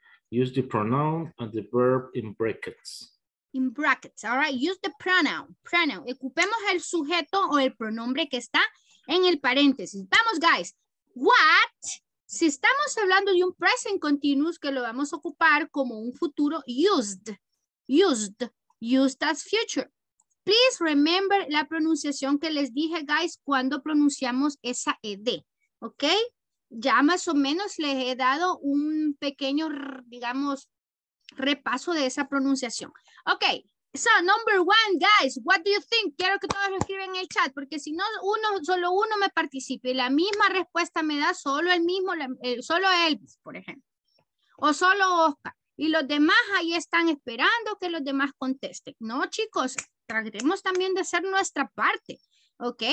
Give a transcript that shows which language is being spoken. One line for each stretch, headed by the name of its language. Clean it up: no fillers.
English: Use the pronoun and the verb in brackets. In brackets, all right. Use the pronoun. Pronoun.
Spanish: Ocupemos el sujeto o el pronombre que está en el paréntesis. Vamos,
English: guys. What?
Spanish: Si estamos hablando de un present continuous que lo vamos a ocupar como un futuro, used. Used.
English: Used as future. Please remember
Spanish: la pronunciación que les dije, guys, cuando pronunciamos esa ED, ¿ok? Ya más o menos les he dado un pequeño, digamos, repaso de esa pronunciación.
English: Ok, so number one, guys, what do you think?
Spanish: Quiero que todos lo escriban en el chat, porque si no, uno, solo uno me participe. La misma respuesta me da solo el mismo, solo Elvis, por ejemplo, o solo Oscar. Y los demás ahí están esperando que los demás contesten. No, chicos, trataremos también de hacer nuestra parte. ¿Ok?